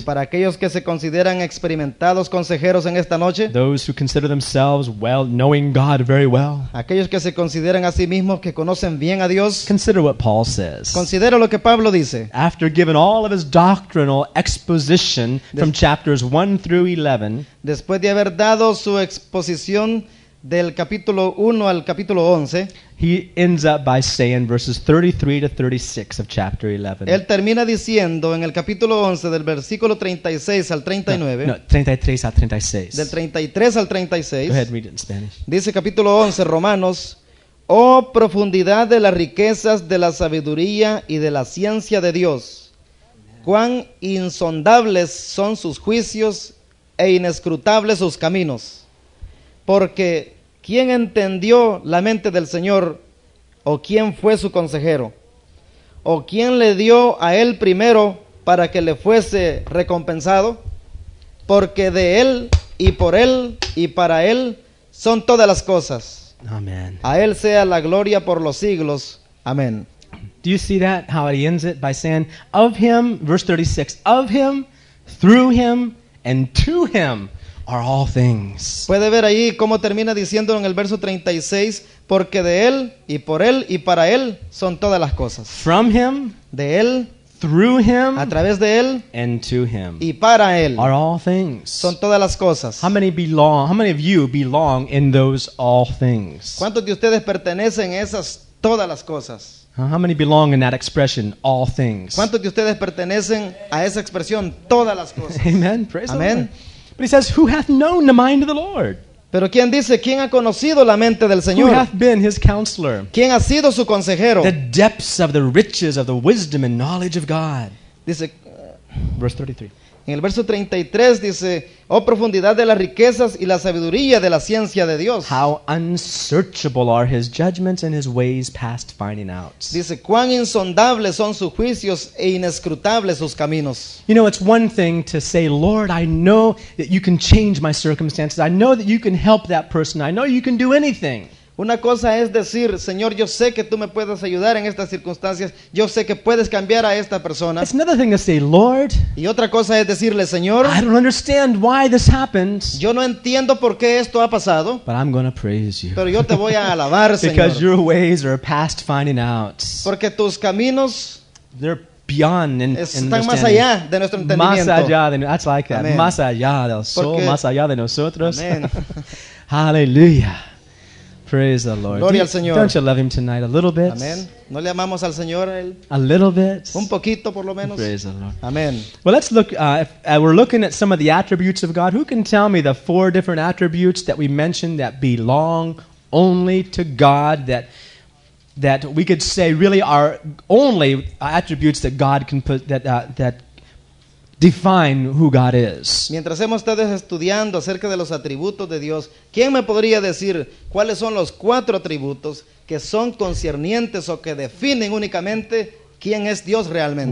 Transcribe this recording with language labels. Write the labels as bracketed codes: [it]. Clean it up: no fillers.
[es] Y para aquellos que se consideran experimentados consejeros en esta noche. [en] Those who consider themselves well knowing God very well. [es] Aquellos que se consideran a sí mismos que conocen bien a Dios. [en] Consider what Paul says. [es] Considera lo que Pablo dice. [en] After giving all of his doctrinal exposition from chapters 1 through 11. [es] Después de haber dado su exposición del capítulo 1 al capítulo 11, [en] he ends up by saying verses 33 to 36 of chapter 11. [es] Él termina diciendo en el capítulo 11 del versículo 36 al 39. No, 33 al 36. Del 33 al 36. [en] Go ahead, read it in Spanish. [es] Dice capítulo 11, Romanos, oh profundidad de las riquezas de la sabiduría y de la ciencia de Dios. Cuán insondables son sus juicios e inescrutables sus caminos. Porque, ¿quién entendió la mente del Señor? ¿O quién fue su consejero? ¿O quién le dio a él primero para que le fuese recompensado? Porque de él, y por él, y para él, son todas las cosas. Amen. A él sea la gloria por los siglos. Amén. [en] Do you see that? How he ends it by saying, of him, verse 36, of him, through him, and to him. Are all things. [es] Puede ver ahí cómo termina diciendo en el verso 36, porque de él y por él y para él son todas las cosas. [en] From him, [es] de él, [en] through him, [es] a través de él, [en] and to him, [es] y para él, [en] are all things. [es] Son todas las cosas. [en] How many of you belong in those all things? [es] ¿Cuántos de ustedes pertenecen a esas todas las cosas? [en] How many belong in that expression, all things? [es] ¿Cuántos de ustedes pertenecen a esa expresión todas las cosas? [en] Amen. Praise Amen. The Lord. But he says, "Who hath known the mind of the Lord?" [es] Pero quién dice quién ha conocido la mente del Señor? [en] Who hath been his counselor? [es] ¿Quién ha sido su consejero? [en] The depths of the riches of the wisdom and knowledge of God. [es] Dice, [en] verse 33. [es] En el verso 33 dice, "Oh profundidad de las riquezas y la sabiduría de la ciencia de Dios." [en] How unsearchable are his judgments and his ways past finding out. [es] Dice, "Cuán insondables son sus juicios e inescrutables sus caminos." [en] You know, it's one thing to say, "Lord, I know that you can change my circumstances. I know that you can help that person. I know you can do anything." [es] Una cosa es decir, Señor, yo sé que tú me puedes ayudar en estas circunstancias. Yo sé que puedes cambiar a esta persona. [en] It's another thing to say, Lord. [es] Y otra cosa es decirle, Señor. [en] I don't understand why this happens. [es] Yo no entiendo por qué esto ha pasado. [en] But I'm going to praise you. [es] Pero yo te voy a alabar, Señor. [en] Because your ways are past finding out. [es] Porque tus caminos. [en] They're beyond in [es] están más allá de nuestro entendimiento. Más allá de, [en] that's like that. [es] Amen. Más allá del sol, porque, más allá de nosotros. [en] Hallelujah. Praise the Lord. [es] Gloria al Señor. [en] Don't you love him tonight a little bit? [es] Amen. ¿No le amamos al Señor el, [en] a little bit? [es] Un poquito por lo menos. [en] Praise the Lord. Amen. Well, let's look, we're looking at some of the attributes of God. Who can tell me the four different attributes that we mentioned that belong only to God, that we could say really are only attributes that God can put, that define who God is? [es] Mientras hemos estado estudiando acerca de los atributos de Dios, ¿quién me podría decir cuáles son los cuatro atributos que son concernientes o que definen únicamente quién es Dios realmente?